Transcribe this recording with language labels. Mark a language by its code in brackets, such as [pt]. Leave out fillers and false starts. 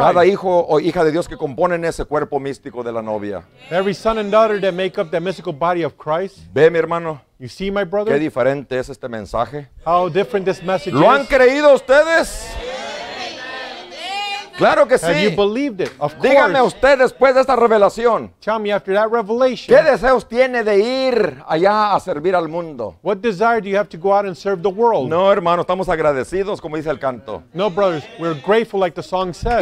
[es] Cada hijo o hija de Dios que componen ese cuerpo místico de la novia. [en] Every son and daughter that make up that mystical body of Christ. [es] Ve, mi hermano. [en] You see, my brother? [es] Qué diferente es este mensaje. [en] How different this message [es] ¿Lo [en] is? [es] Han creído ustedes? Claro que sí. [en] Have you believed it? Of [es] Dígame [en] course. [es] Usted después de esta revelación. [en] Tell me after that revelation. [es] ¿Qué deseos tiene de ir allá a servir al mundo? [en] What desire do you have to go out and serve the world? [es] No, hermano, estamos agradecidos, como dice el canto. [en] No, brothers, we're grateful like the song says.